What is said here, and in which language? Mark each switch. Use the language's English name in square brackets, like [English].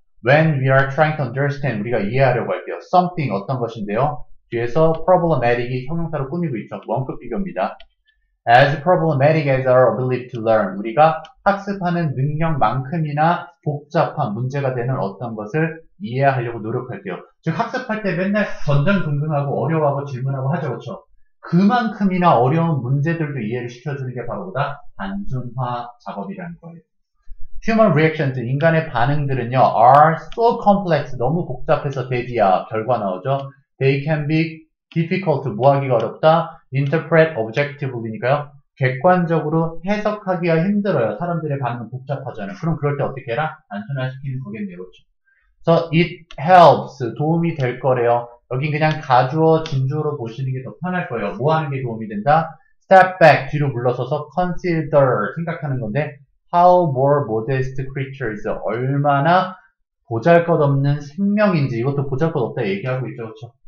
[English] When we are trying to understand, [Korean] 우리가 이해하려고 할게요. Something, 어떤 것인데요. 뒤에서 problematic이 형용사로 꾸미고 있죠. 원급 비교입니다. [English] As problematic as our ability to learn. [Korean] 우리가 학습하는 능력만큼이나 복잡한 문제가 되는 어떤 것을 이해하려고 노력할게요. 즉, 학습할 때 맨날 전전긍긍하고 어려워하고 질문하고 하죠. 그렇죠? 그만큼이나 어려운 문제들도 이해를 시켜주는 게 바로 보다 단순화 작업이라는 거예요. [English] Human reactions, [Korean] 인간의 반응들은요, [English] are so complex, [Korean] 너무 복잡해서 대지야, 결과 나오죠. [English] They can be difficult, [Korean] 뭐하기가 어렵다. [English] Interpret objectively니까요. [Korean] 객관적으로 해석하기가 힘들어요. 사람들의 반응은 복잡하잖아요. 그럼 그럴 때 어떻게 해라? 단순화시키는 거겠네요. 그렇죠. [English] So, it helps, [Korean] 도움이 될 거래요. 여긴 그냥 가주어, 진주어로 보시는 게더 편할 거예요. 뭐 하는 게 도움이 된다? [English] Step back, [Korean] 뒤로 물러서서 consider, 생각하는 건데, [English] How more modest creatures, [Korean] 얼마나 보잘것없는 생명인지, 이것도 보잘것없다 얘기하고 있죠, 그렇죠?